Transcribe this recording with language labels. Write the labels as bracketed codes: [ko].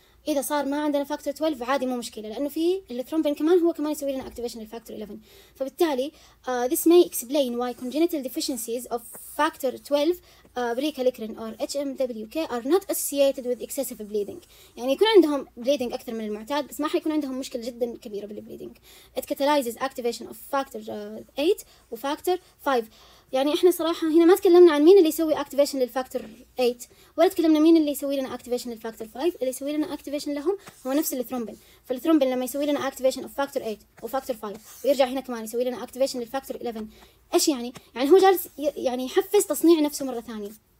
[ar] اذا صار ما عندنا فاكتور 12 عادي مو مشكله، لانه في الثرومبين كمان هو كمان يسوي لنا اكتيفيشن للفاكتور 11. فبالتالي [en] this may explain why congenital deficiencies of factor 12 prekallikrein or H M W K are not associated with excessive bleeding. [ar] يعني يكون عندهم بليدنج اكثر من المعتاد بس ما حيكون عندهم مشكله جدا كبيره بالبليدنج. [en] It catalyzes activation of factor 8 وفاكتور 5. [ar] يعني احنا صراحة هنا ما تكلمنا عن مين اللي يسوي اكتيفيشن للفاكتور 8 ولا تكلمنا مين اللي يسوي لنا اكتيفيشن للفاكتور 5. اللي يسوي لنا اكتيفيشن لهم هو نفس الثرومبين، فالثرومبين لما يسوي لنا اكتيفيشن اوف فاكتور 8 وفاكتور 5 ويرجع هنا كمان يسوي لنا اكتيفيشن للفاكتور 11، ايش يعني؟ يعني هو جالس يعني يحفز تصنيع نفسه مرة ثانية،